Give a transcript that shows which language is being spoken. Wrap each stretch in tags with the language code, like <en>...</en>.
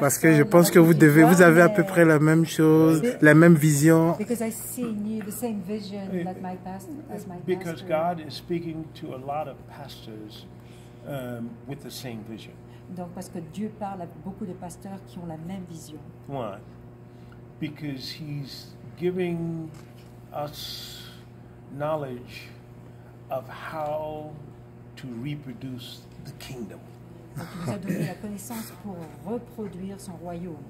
<fr>Parce que je pense que vous avez à peu près la même chose, la même vision.</fr> <en>Because I see in you the same vision that my pastor as my pastor. Because God is speaking to a lot of pastors with the same vision.</en> <fr>Donc parce que Dieu parle à beaucoup de pasteurs qui ont la même vision.</fr> <en>Why? Because he's giving us knowledge of how to reproduce the kingdom.</en> <fr>Donc, il nous a donné la connaissance pour reproduire son royaume.</fr>